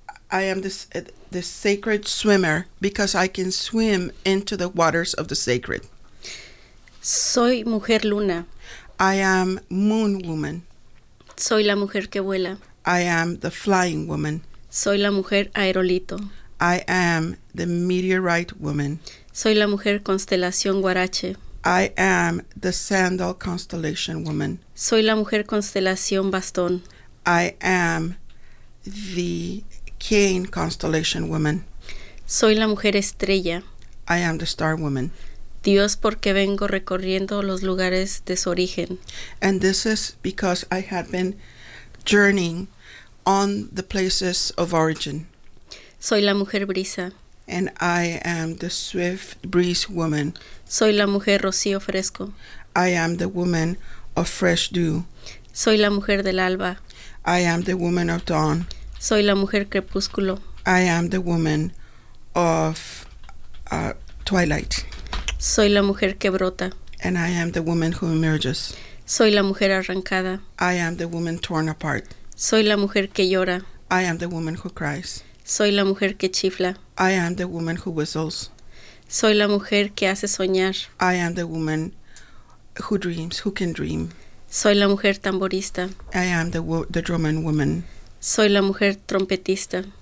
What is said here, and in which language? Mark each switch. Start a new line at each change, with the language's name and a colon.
English: I am the sacred swimmer because I can swim into the waters of the sacred.
Spanish: Soy mujer luna.
English: I am moon woman.
Spanish: Soy la mujer que vuela.
English: I am the flying woman.
Spanish: Soy la mujer aerolito.
English: I am the meteorite woman.
Spanish: Soy la mujer constelación guarache.
English: I am the sandal constellation woman.
Spanish: Soy la mujer constelación bastón.
English: I am the cane constellation woman.
Spanish: Soy la mujer estrella.
English: I am the star woman.
Spanish: Dios, porque vengo recorriendo los lugares de su origen.
English: And this is because I have been journeying on the places of origin.
Spanish: Soy la mujer brisa.
English: And I am the swift breeze woman.
Spanish: Soy la mujer rocío fresco.
English: I am the woman of fresh dew.
Spanish: Soy la mujer del alba.
English: I am the woman of dawn.
Spanish: Soy la mujer crepúsculo.
English: I am the woman of twilight.
Spanish: Soy la mujer que brota.
English: And I am the woman who emerges.
Spanish: Soy la mujer arrancada.
English: I am the woman torn apart.
Spanish: Soy la mujer que llora.
English: I am the woman who cries.
Spanish: Soy la mujer que chifla.
English: I am the woman who whistles.
Spanish: Soy la mujer que hace soñar.
English: I am the woman who dreams, who can dream.
Spanish: Soy la mujer tamborista.
English: I am the drumming woman.
Spanish: Soy la mujer trompetista.